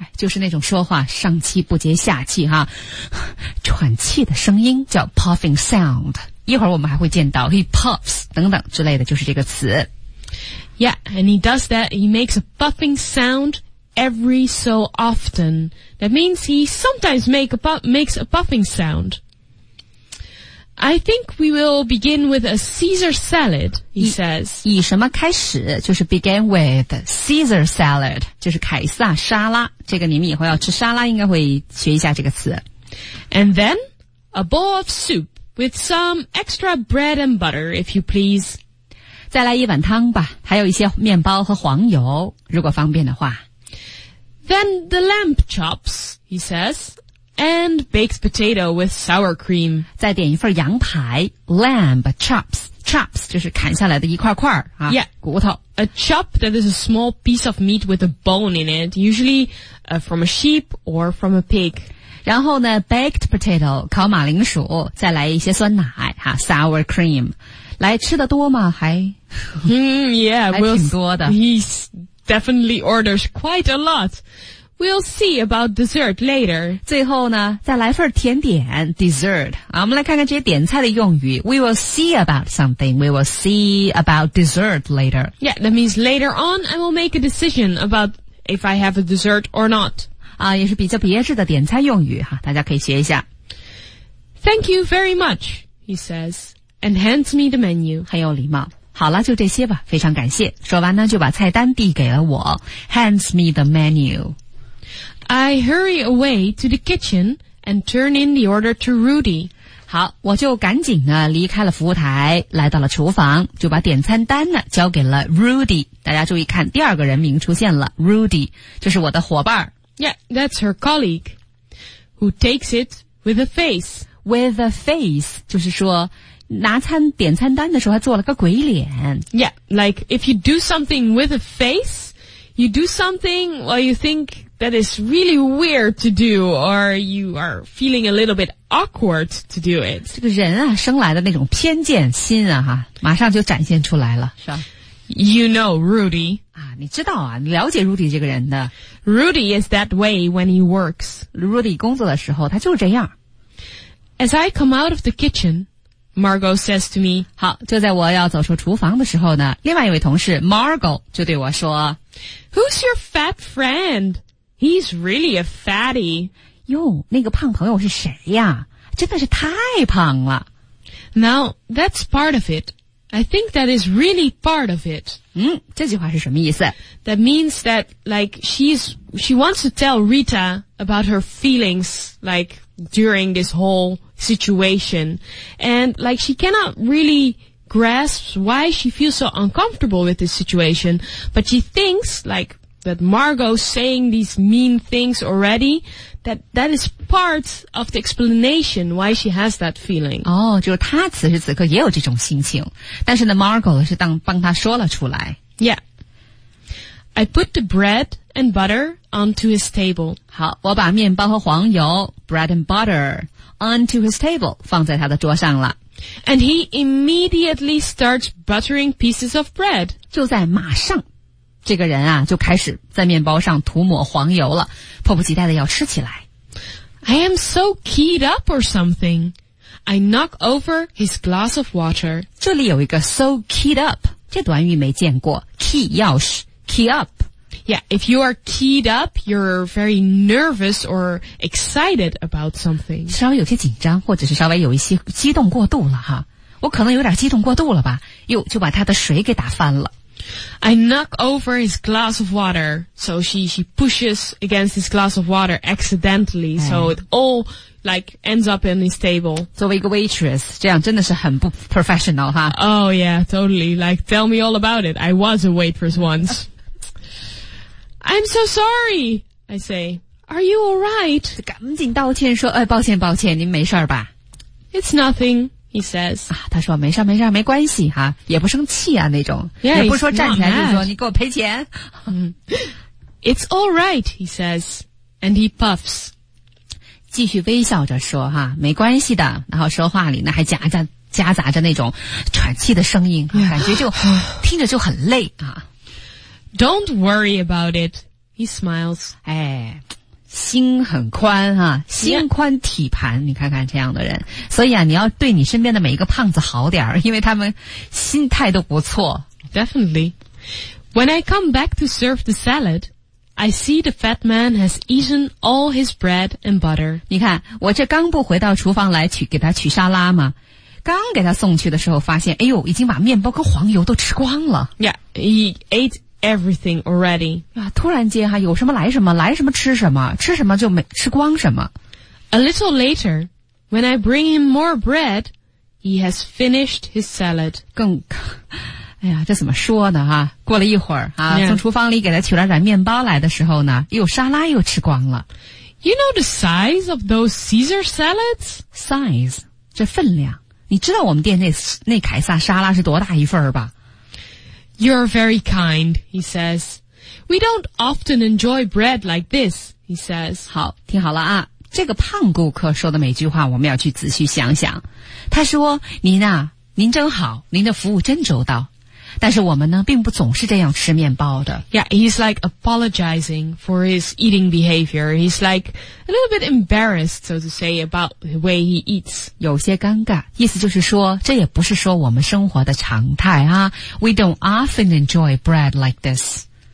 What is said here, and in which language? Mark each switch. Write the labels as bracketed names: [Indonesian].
[Chinese] 就是那种说话上气不接下气哈，喘气的声音叫 [English] puffing sound。 [Chinese] 一会儿我们还会见到 [English] he puffs [Chinese] 等等之类的就是这个词 [English] Yeah, and he does that, he makes a puffing sound every so often. That means he sometimes makes a puffing sound. I think we will begin with a Caesar salad, he says. [Chinese] 以什么开始就是 [English] begin with Caesar salad, [Chinese] 就是凯撒沙拉，这个你们以后要吃沙拉应该会学一下这个词。 [English] And then, a bowl of soup. With some extra bread and butter, if you please. [Chinese] 再来一碗汤吧，还有一些面包和黄油，如果方便的话。 [English] Then the lamb chops, he says, and baked potato with sour cream. [Chinese] 再点一份羊排 , [English] lamb chops, [Chinese] chops 就是砍下来的一块块、啊、 yeah, 骨头。 [English] A chop that is a small piece of meat with a bone in it, usually, from a sheep or from a pig. [Chinese] 然后呢 [English] baked potato, [Chinese] 烤马铃薯再来一些酸奶哈 [English] sour cream. [Chinese] 来吃的多吗还、 yeah, 还挺多的。 [English] He definitely orders quite a lot. We'll see about dessert later. [Chinese] 最后呢再来份甜点 dessert.、啊、我们来看看这些点菜的用语。 [English] We will see about something. We will see about dessert later. Yeah, that means later on I will make a decision about if I have a dessert or not. [Chinese] 啊，也是比较别致的点餐用语哈，大家可以学一下。 [English] Thank you very much, he says, and hands me the menu. [Chinese] 很有礼貌。好了，就这些吧，非常感谢。说完呢，就把菜单递给了我 ， [English] hands me the menu. I hurry away to the kitchen and turn in the order to Rudy. [Chinese] 好，我就赶紧呢离开了服务台，来到了厨房，就把点餐单呢交给了 Rudy。大家注意看，第二个人名出现了 ，Rudy， 就是我的伙伴。 [English] Yeah, that's her colleague, who takes it with a face. With a face, [Chinese] 就是说拿餐点餐单的时候还做了个鬼脸。 [English] Yeah, like if you do something with a face, you do something while you think that is really weird to do, or you are feeling a little bit awkward to do it. [Chinese] 这个人啊，生来的那种偏见心啊，哈，马上就展现出来了，是吧？ [English] You know Rudy. [Chinese] 啊，你知道啊，你了解 Rudy 这个人的。 [English] Rudy is that way when he works. [Chinese] Rudy 工作的时候，他就是这样。 [English] As I come out of the kitchen, Margot says to me, [Chinese] 好，就在我要走出厨房的时候呢，另外一位同事 Margot 就对我说， [English] Who's your fat friend? He's really a fatty. [Chinese] 哟，那个胖朋友是谁呀？真的是太胖了。 [English] Now, that's part of it. I think that is really part of it. [Chinese] 这句话是什么意思? [English] That means that, like, she wants to tell Rita about her feelings, like, during this whole situation. And, like, she cannot really grasps why she feels so uncomfortable with this situation, but she thinks, like, that Margot saying these mean things already, that is part of the explanation why she has that feeling. [Chinese] 哦，就是她此时此刻也有这种心情，但是呢 ，Margot 是帮她说了出来。 [English] Yeah, I put the bread and butter onto his table. [Chinese] 好，我把面包和黄油 [English] bread and butter onto his table [Chinese] 放在他的桌上了。 [English] And he immediately starts buttering pieces of bread. [Chinese] 就在马上，这个人啊，就开始在面包上涂抹黄油了，迫不及待的要吃起来。 [English] I am so keyed up or something. I knock over his glass of water. [Chinese] 这里有一个 [English] so keyed up， [Chinese] 这短语没见过。 Key 钥匙 ， [English] key up。 Yeah, if you are keyed up, you're very nervous or excited about something. [Chinese] 稍微有些紧张，或者是稍微有一些激动过度了哈。我可能有点激动过度了吧，又就把他的水给打翻了。 [English] I knock over his glass of water, so she pushes against his glass of water accidentally, so it all like ends up in his table. [Chinese] 作为一个 waitress, 这样真的是很不 professional 哈。 [English] Oh yeah, totally. Like, tell me all about it. I was a waitress once. I'm so sorry, I say. Are you alright? [Chinese] 赶紧道歉说，哎，抱歉抱歉，您没事吧？ [English] It's nothing, he says. [Chinese] 啊，他说没事没事，没关系哈，也不生气啊那种。 Yeah, 也不说站起来就说你给我赔钱。 [English] It's alright, he says. And he puffs. [Chinese] 继续微笑着说哈，没关系的。然后说话里呢还夹杂着那种喘气的声音，感觉就听着就很累啊。 [English] Don't worry about it, he smiles. [Chinese] 哎，心很宽啊，心宽体盘、yeah. 你看看这样的人。所以啊，你要对你身边的每一个胖子好点，因为他们心态都不错。 [English] Definitely. When I come back to serve the salad, I see the fat man has eaten all his bread and butter. [Chinese] 你看，我这刚不回到厨房来给他取沙拉嘛。刚给他送去的时候发现，哎呦，已经把面包跟黄油都吃光了。 [English] Yeah, he ate everything already. [Chinese] 啊，突然间哈，有什么来什么，来什么吃什么，吃什么就没吃光什么。 [English] A little later, when I bring him more bread, he has finished his salad. [Chinese] 更，哎呀，这怎么说呢哈？过了一会儿啊， yeah. 从厨房里给他取了点面包来的时候呢，又沙拉又吃光了。 [English] You know the size of those Caesar salads? [Chinese] Size， 这分量，你知道我们店那凯撒沙拉是多大一份儿吧？ [English] You're very kind, he says. We don't often enjoy bread like this, he says. [Chinese] 好，听好了啊，这个胖顾客说的每句话我们要去仔细想想。他说，您啊，您真好，您的服务真周到。但是我们呢，并不总是这样吃面包的。 [English] Yeah, he's like apologizing for his eating behavior. He's like a little bit embarrassed, so to say, about the way he eats. [Chinese] 有些尴尬，意思就是说，这也不是说我们生活的常态啊。 [English] We don't often enjoy bread like this.